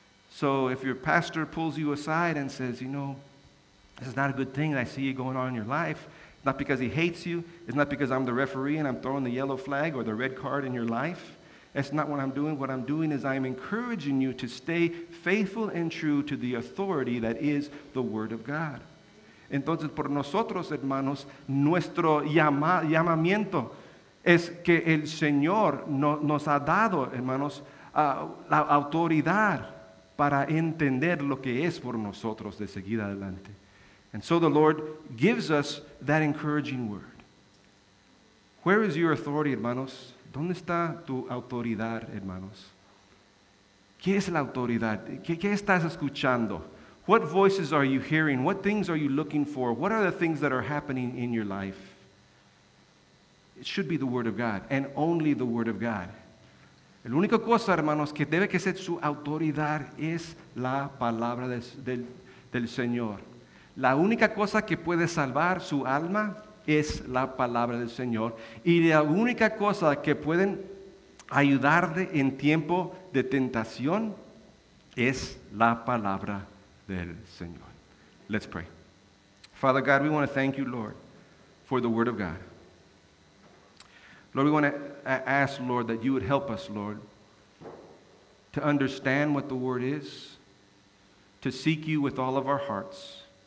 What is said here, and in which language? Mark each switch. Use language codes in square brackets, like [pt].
[en] So if your pastor pulls you aside and says, you know, this is not a good thing that I see you going on in your life, not because he hates you, it's not because I'm the referee and I'm throwing the yellow flag or the red card in your life. That's not what I'm doing. What I'm doing is I'm encouraging you to stay faithful and true to the authority that is the Word of God. [es] Entonces, por nosotros, hermanos, nuestro llamamiento es que el Señor nos ha dado, hermanos, la autoridad para entender lo que es por nosotros de seguir adelante. [en] And so the Lord gives us that encouraging word. Where is your authority, hermanos? [es] ¿Dónde está tu autoridad, hermanos? ¿Qué es la autoridad? ¿Qué estás escuchando? [en] What voices are you hearing? What things are you looking for? What are the things that are happening in your life? It should be the Word of God, and only the Word of God. [es] El único cosa, hermanos, que debe que ser su autoridad es la palabra del Señor. La única cosa que puede salvar su alma es la palabra del Señor. Y la única cosa que pueden ayudarle en tiempo de tentación es la palabra del Señor. [en] Let's pray. Father God, we want to thank you, Lord, for the Word of God. Lord, we want to ask, Lord, that you would help us, Lord, to understand what the Word is, to seek you with all of our hearts.